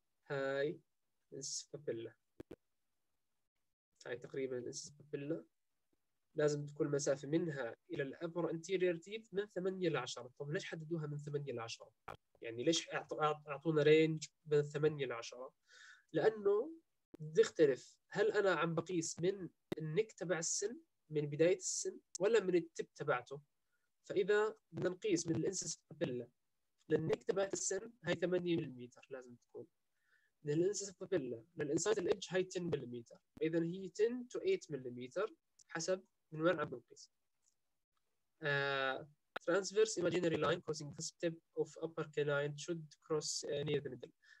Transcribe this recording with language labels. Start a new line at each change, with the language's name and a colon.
Arabic: هاي incisor papilla، هاي تقريبا incisor papilla. لازم تكون مسافة منها إلى الـ
English: upper anterior teeth
Arabic: من 8 إلى 10. طب ليش حددوها من 8 إلى 10؟ يعني ليش أعطونا رينج من 8 إلى 10؟ لأنه بدي اختلف، هل أنا عم بقيس من النك تبع السن من بداية السن ولا من التب تبعته؟ فإذا بدنا نقيس من الإنسس بابيلا للنك تبع السن، هاي 8 مليمتر لازم تكون. من الإنسس بابيلا للإنسايد الإج هاي 10 مليمتر، إذا هي 10 to 8 مليمتر حسب من وين عم بنقيس.
English: Transverse imaginary line causing the tip of upper canine should cross near the middle.